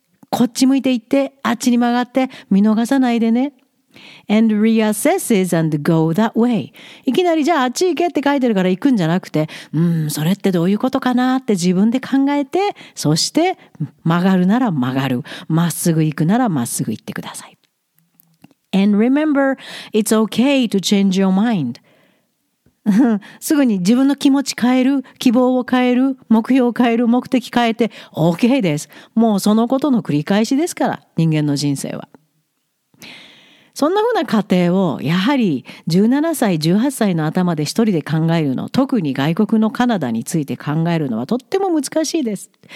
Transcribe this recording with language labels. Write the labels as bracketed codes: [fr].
[ja] こっち向いて行って、あっちに曲がって、見逃さないでね。 [en] And reassesses and go that way. [ja] いきなりじゃああっち行けって書いてるから行くんじゃなくて、それってどういうことかなって自分で考えて、そして曲がるなら曲がる、まっすぐ行くならまっすぐ行ってください。 [en] And remember, it's okay to change your mind. [ja] すぐに自分の気持ち変える、希望を変える、目標を変える、目的変えて OK です。もうそのことの繰り返しですから、人間の人生は。そんなふうな過程をやはり17歳18歳の頭で一人で考えるの、特に外国のカナダについて考えるのはとっても難しいです。